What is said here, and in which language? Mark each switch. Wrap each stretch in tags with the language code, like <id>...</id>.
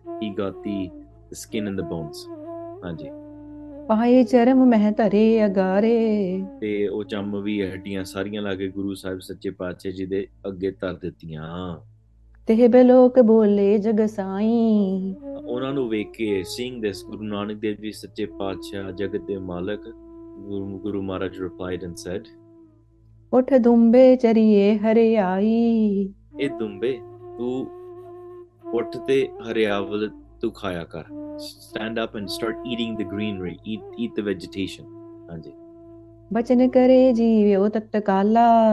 <en>He got the skin and the bones.</en> <pa>Haanji. ਪਾਏ ਚਰਮ ਮਹਿ ਧਰੇ ਅਗਾਰੇ ਤੇ ਉਹ ਚੰਮ ਵੀ ਹੱਡੀਆਂ ਸਾਰੀਆਂ ਲਾ ਕੇ ਗੁਰੂ ਸਾਹਿਬ ਸੱਚੇ ਪਾਤਸ਼ਾਹ ਜੀ ਦੇ ਅੱਗੇ ਧਰ ਦਿੱਤੀਆਂ ਤੇ ਬੇ ਲੋਕ ਬੋਲੇ ਜਗ ਸਾਈ ਉਹਨਾਂ ਨੂੰ ਵੇਖ ਕੇ ਸਿੰਘ ਦੇ ਗੁਰੂ ਨਾਨਕ ਦੇਵ ਜੀ ਸੱਚੇ ਪਾਤਸ਼ਾਹ ਜਗਤ ਦੇ ਮਾਲਕ Guru Maharaj</pa> <en>replied and said</en> <pa>ਉਠ ਦੁੰਬੇ ਚਰੀਏ ਹਰਿਆਈ ਇਹ ਦੁੰਬੇ ਤੂੰ ਉੱਠ ਤੇ ਹਰਿਆਵਲ ਤੂੰ ਖਾਇਆ ਕਰ</pa> <en>stand up and start eating the greenery eat the vegetation hanji</en> <pa>bachan kare jeevyo tat kala</pa>